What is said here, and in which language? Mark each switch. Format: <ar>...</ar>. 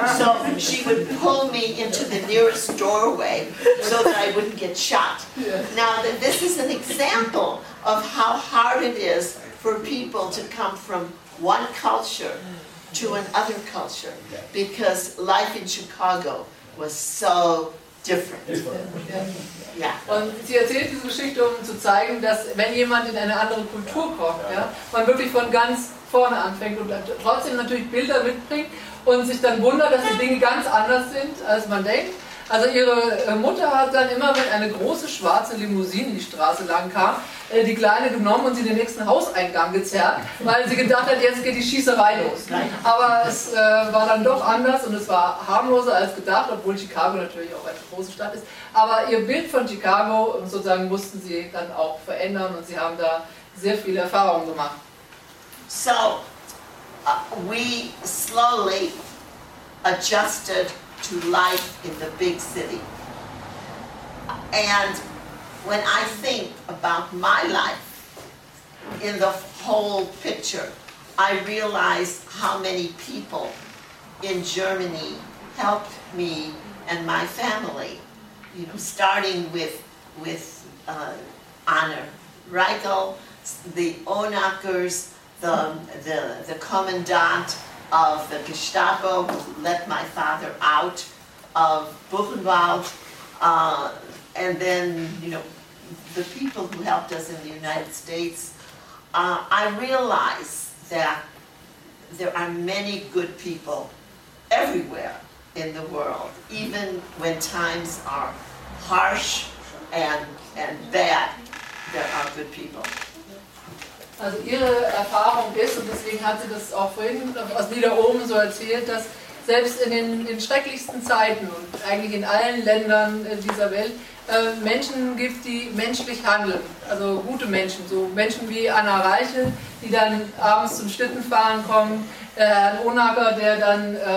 <en>So she would pull me into the nearest doorway so that I wouldn't get shot. Now, this is an example of how hard it is for people to come from one culture to another culture, because life in Chicago was so different.</en> <de>Ja. Und sie erzählt diese Geschichte, um zu zeigen, dass wenn jemand in eine andere Kultur kommt, ja, man wirklich von ganz vorne anfängt und trotzdem natürlich Bilder mitbringt und sich dann wundert, dass die Dinge ganz anders sind, als man denkt. Also ihre Mutter hat dann immer, wenn eine große schwarze Limousine die Straße lang kam, die Kleine genommen und sie in den nächsten Hauseingang gezerrt, weil sie gedacht hat, jetzt geht die Schießerei los. Aber es war dann doch anders und es war harmloser als gedacht, obwohl Chicago natürlich auch eine große Stadt ist. Aber ihr Bild von Chicago, sozusagen, mussten sie dann auch verändern und sie haben da sehr viele Erfahrungen gemacht.</de> <en>So, we slowly adjusted to life in the big city. And when I think about my life in the whole picture, I realize how many people in Germany helped me and my family, you know, starting with Anna Reichel, the Onakers, the commandant of the Gestapo who let my father out of Buchenwald, and then, you know, the people who helped us in the United States. I realize that there are many good people everywhere in the world, even when times are harsh and bad, there are good people.</en> <de>Also ihre Erfahrung ist, und deswegen hat sie das auch vorhin aus Nieder oben so erzählt, dass selbst in den schrecklichsten Zeiten und eigentlich in allen Ländern dieser Welt Menschen gibt, die menschlich handeln, also gute Menschen, so Menschen wie Anna Reichel, die dann abends zum Schlittenfahren kommen, Herrn Onager, der dann</de>